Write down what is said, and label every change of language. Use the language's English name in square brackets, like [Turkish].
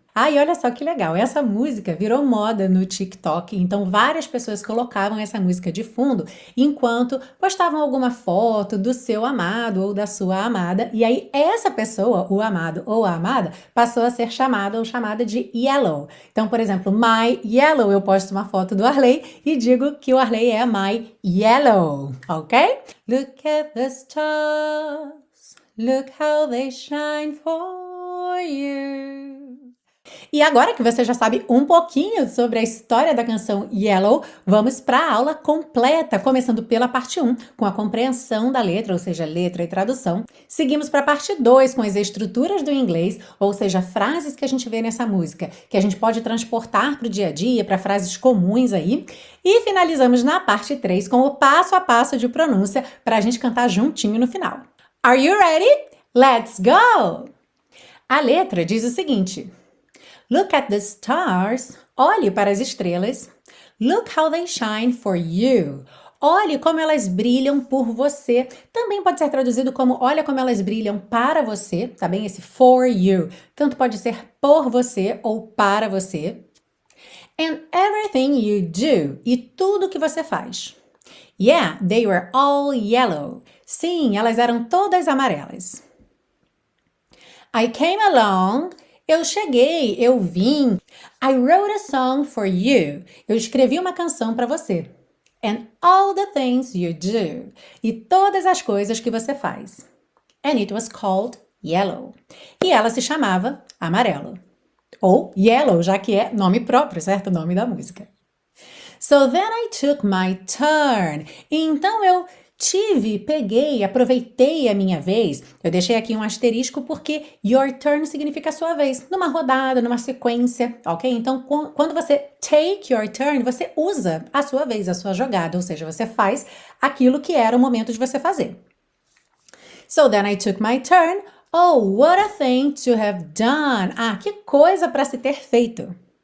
[Portuguese] Ah, e olha só que legal, essa música virou moda no TikTok, então várias pessoas colocavam essa música de fundo enquanto postavam alguma foto do seu amado ou da sua amada, e aí essa pessoa, o amado ou a amada, passou a ser chamada ou chamada de Yellow. Então, por exemplo, My Yellow, eu posto uma foto do Arley e digo que o Arley é My Yellow, ok? [English] Look at the stars, look how they shine for you. [Portuguese] E agora que você já sabe um pouquinho sobre a história da canção Yellow, vamos para a aula completa, começando pela parte 1, com a compreensão da letra, ou seja, letra e tradução. Seguimos para a parte 2, com as estruturas do inglês, ou seja, frases que a gente vê nessa música, que a gente pode transportar para o dia a dia, para frases comuns aí. E finalizamos na parte 3, com o passo a passo de pronúncia, para a gente cantar juntinho no final. [English] Are you ready? Let's go! [Portuguese] A letra diz o seguinte... [English] Look at the stars, [Portuguese] olhe para as estrelas. [English] Look how they shine for you, [Portuguese] olhe como elas brilham por você. Também pode ser traduzido como olha como elas brilham para você, tá bem? Esse [English] for you, [Portuguese] tanto pode ser por você ou para você. [English] And everything you do, [Portuguese] e tudo que você faz. [English] Yeah, they were all yellow. [Portuguese] Sim, elas eram todas amarelas. [English] I came along... [Portuguese] Eu cheguei, eu vim. [English] I wrote a song for you. [Portuguese] Eu escrevi uma canção para você. [English] And all the things you do. [Portuguese] E todas as coisas que você faz. [English] And it was called Yellow. [Portuguese] E ela se chamava Amarelo. Ou Yellow, já que é nome próprio, certo? Nome da música. [English] So then I took my turn. [Portuguese] Então eu... Tive, peguei, aproveitei a minha vez. Eu deixei aqui um asterisco porque [English] your turn [Portuguese] significa sua vez. Numa rodada, numa sequência, ok? Então, quando você [English] take your turn, [Portuguese] você usa a sua vez, a sua jogada. Ou seja, você faz aquilo que era o momento de você fazer. [English] So then I took my turn. Oh, what a thing to have done. [Portuguese] Ah, que coisa para se ter feito.